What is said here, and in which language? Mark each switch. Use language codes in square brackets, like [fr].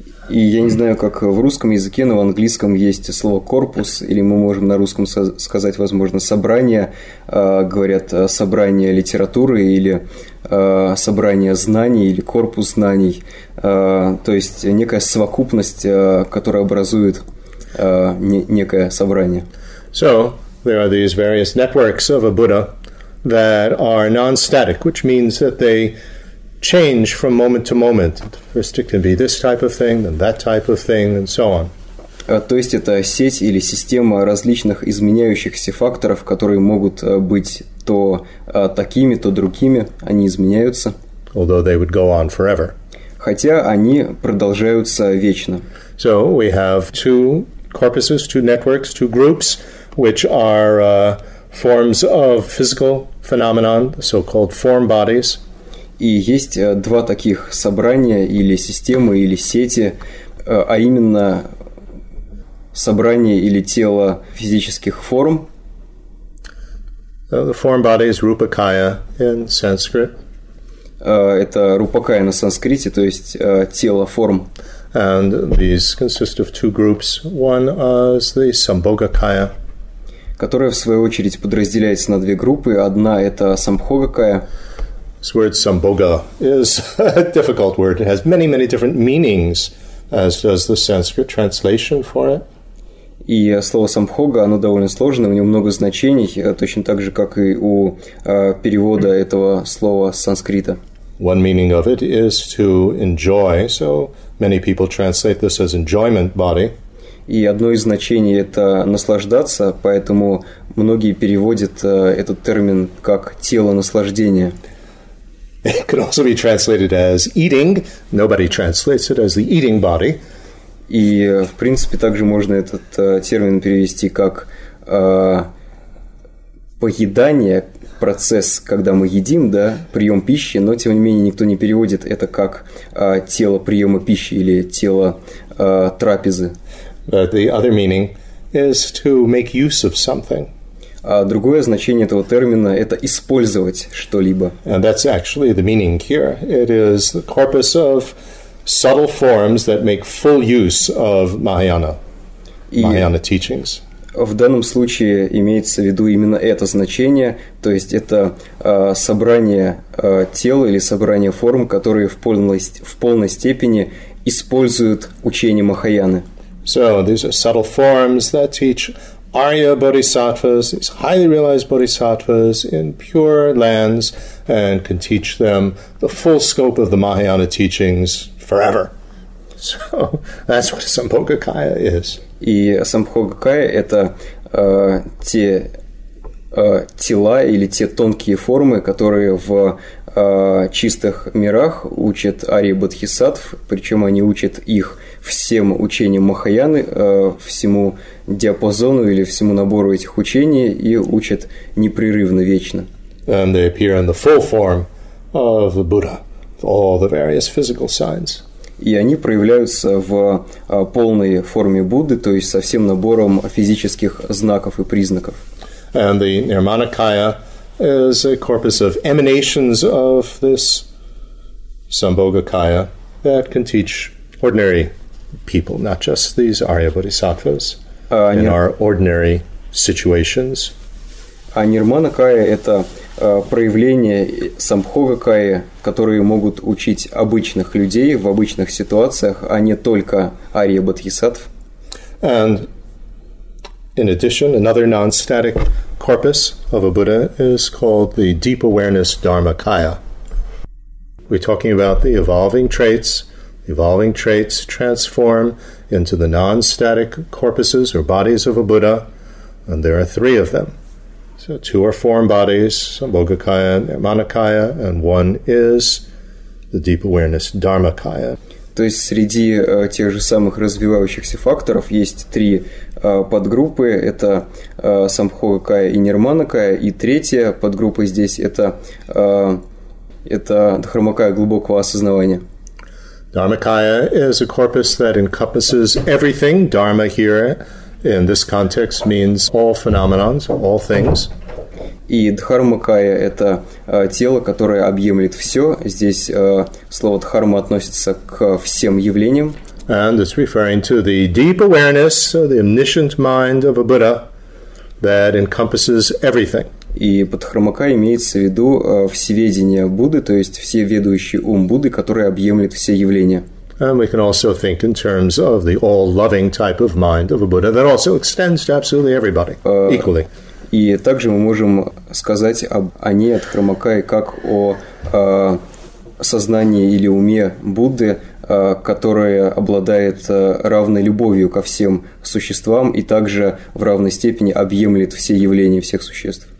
[ru] И я не знаю, как в русском языке, но в английском есть слово «корпус», или мы можем на русском сказать, возможно, «собрание». Говорят «собрание литературы» или «собрание знаний» или «корпус знаний». То есть некая совокупность, которая образует некое собрание. [en] So, there are these various networks of a Buddha that are non-static, which means that they change from moment to moment. First it can be this type of thing, then that type of thing, and so on. [ru] То есть это сеть или система различных изменяющихся факторов, которые могут быть то такими, то другими, они изменяются. [en] Although they would go on forever. [ru] Хотя они продолжаются вечно. [en] So we have two corpuses, two networks, two groups, which are forms of physical phenomenon, so-called form bodies. [ru] И есть два таких собрания или системы или сети, а именно собрание или тело физических форм. [en] The form body is rupakaya in Sanskrit. [ru] Это рупакая на санскрите, то есть тело форм. [en] And these consist of two groups. One is the sambhogakaya, [ru] которая в свою очередь подразделяется на две группы. Одна это самбхогакая. [en] This word sambhoga is a difficult word. It has many, many different meanings, as does the Sanskrit translation for it. [ru] И слово самбхога, оно довольно сложное, у него много значений, точно так же, как и у перевода этого слова с санскрита. [en] One meaning of it is to enjoy, so many people translate this as enjoyment body. [ru] И одно из значений – это наслаждаться, поэтому многие переводят этот термин как «тело наслаждения». [en] It could also be translated as eating. Nobody translates it as the eating body. [ru] И, в принципе, также можно этот термин перевести как поедание, процесс, когда мы едим, да, прием пищи, но, тем не менее, никто не переводит это как тело приема пищи или тело трапезы. [en] But the other meaning is to make use of something. [ru] А другое значение этого термина – это использовать что-либо. [en] And that's actually the meaning here. It is the corpus of subtle forms that make full use of Mahayana, Mahayana teachings. [ru] В данном случае имеется в виду именно это значение, то есть это собрание тела или собрание форм, которые в полной степени используют учение Махаяны. [en] So, these are subtle forms that teach Arya bodhisattvas, these highly realized bodhisattvas in pure lands, and can teach them the full scope of the Mahayana teachings forever. So that's what Sambhogakaya is. [ru] И Сампхогакая – это те тела или те тонкие формы, которые в чистых мирах учат арии бодхисаттв, причем они учат их всем учениям Махаяны, всему диапазону или всему набору этих учений, и учат непрерывно, вечно. [en] And they appear in the full form of the Buddha, all the various physical signs. [ru] И они проявляются в полной форме Будды, то есть со всем набором физических знаков и признаков. [en] And the Nirmanakaya is a corpus of emanations of this Sambhogakaya that can teach ordinary people, not just these Arya Bodhisattvas, in our ordinary situations. [ru] А Нирманакая – это проявление Сампхогакая, которые могут учить обычных людей в обычных ситуациях, а не только Арья Бодхисаттв. [en] And in addition, another non-static corpus of a Buddha is called the Deep Awareness Dharmakaya. We're talking about the evolving traits. Evolving traits transform into the non-static corpuses or bodies of a Buddha, and there are three of them. So two are form bodies, Sambhogakaya and Nirmanakaya, and one is the deep awareness, Dharmakaya. [ru] То есть среди тех же самых развивающихся факторов есть три подгруппы. Это Сампхогакая и Нирманакая. И третья подгруппа здесь это Дхармакая глубокого осознавания. [en] Dharmakaya is a corpus that encompasses everything. Dharma here in this context means all phenomena, all things. [ru] И Дхармакая – это тело, которое объемлет все. Здесь слово «дхарма» относится к всем явлениям. [en] And it's referring to the deep awareness, the omniscient mind of a Buddha that encompasses everything. [ru] И под Дхармакая имеется в виду всеведение Будды, то есть всеведущий ум Будды, который объемлет все явления. [en] And we can also think in terms of the all-loving type of mind of a Buddha that also extends to absolutely everybody, equally. [ru] И также мы можем сказать о ней, о Дхармакае, как о сознании или уме Будды, которое обладает равной любовью ко всем существам и также в равной степени объемлет все явления всех существ.